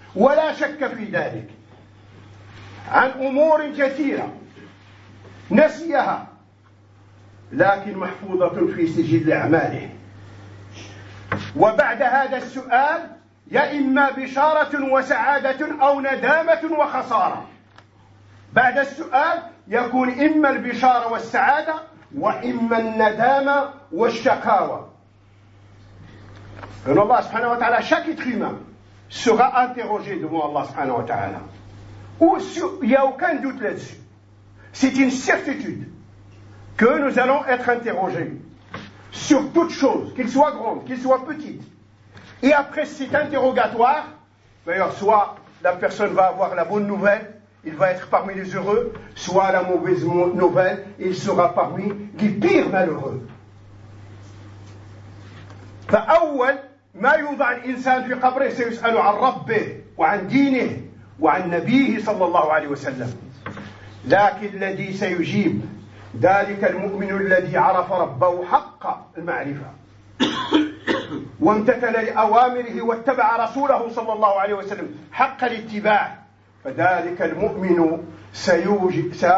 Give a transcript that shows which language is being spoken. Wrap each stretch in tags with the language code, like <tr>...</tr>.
<ar>ولا شك في ذلك عن أمور كثيرة نسيها لكن محفوظة في سجل أعماله وبعد هذا السؤال يا إما بشارة وسعادة أو ندامة وخسارة بعد السؤال يكون إما البشارة والسعادة وإما الندامة والشقاوة إن الله سبحانه وتعالى شكت خيمة</ar> <fr>sera interrogé devant Allah subhanahu wa ta'ala. Il n'y a aucun doute là-dessus. C'est une certitude que nous allons être interrogés sur toute chose, qu'il soit grande, qu'il soit petite. Et après cet interrogatoire, d'ailleurs, soit la personne va avoir la bonne nouvelle, il va être parmi les heureux, soit la mauvaise nouvelle, il sera parmi les pires malheureux.</fr> <ar>فأول ما يوضع الإنسان في قبره سيسأل عن ربه وعن دينه وعن نبيه صلى الله عليه وسلم لكن الذي سيجيب ذلك المؤمن الذي عرف ربه حق المعرفة وامتثل لأوامره واتبع رسوله صلى الله عليه وسلم حق الاتباع فذلك المؤمن سيجيب</ar>